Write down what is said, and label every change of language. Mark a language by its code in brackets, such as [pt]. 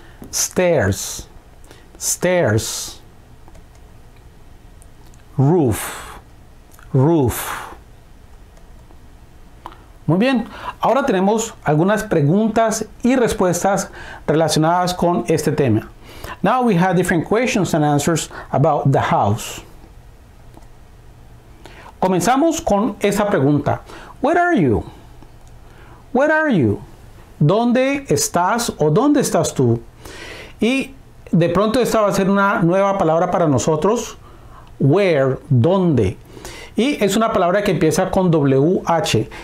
[en] Stairs, stairs. Roof, roof. [es] Muy bien, ahora tenemos algunas preguntas y respuestas relacionadas con este tema. [en] Now we have different questions and answers about the house. [es] Comenzamos con esa pregunta. [en] Where are you? Where are you? [es] ¿Dónde estás o dónde estás tú? Y de pronto esta va a ser una nueva palabra para nosotros. Where, ¿dónde? Y es una palabra que empieza con WH.